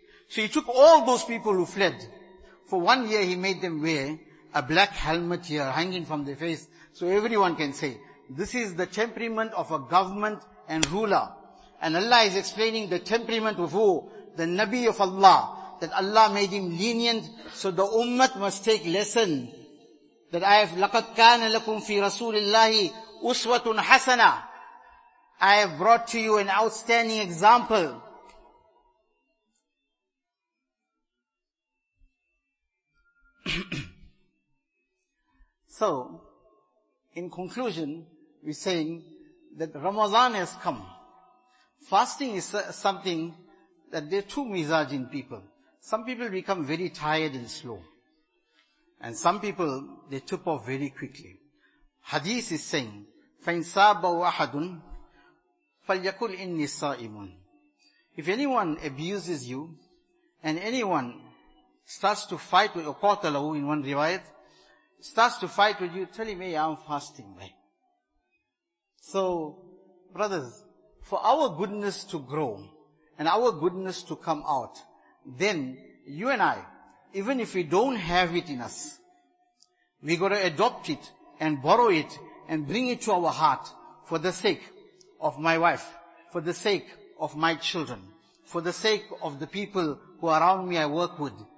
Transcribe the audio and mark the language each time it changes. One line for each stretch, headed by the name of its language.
English: So he took all those people who fled. For 1 year he made them wear a black helmet here hanging from their face. So everyone can say, this is the temperament of a government and ruler. And Allah is explaining the temperament of who? The Nabi of Allah. That Allah made him lenient, so the ummah must take lesson. That I have,
Arabic: لَقَدْ كَانَ لَكُمْ فِي رَسُولِ اللَّهِ أُسْوَةٌ حَسَنَةٌ.
English: I have brought to you an outstanding example. So, in conclusion, we're saying that Ramadan has come. Fasting is something that there are two mizaj in people. Some people become very tired and slow. And some people, they tip off very quickly. Hadith is saying,
Arabic: فَإِنْ سَابَوْ أَحَدٌ فَلْيَكُلْ إِنِّي سَائِمٌ.
English: If anyone abuses you, and anyone starts to fight with you, قَوْتَلَهُ in one riwayat, starts to fight with you, tell him, hey, I'm fasting. So, brothers, for our goodness to grow, and our goodness to come out, then you and I, even if we don't have it in us, we got to adopt it and borrow it and bring it to our heart for the sake of my wife, for the sake of my children, for the sake of the people who are around me I work with.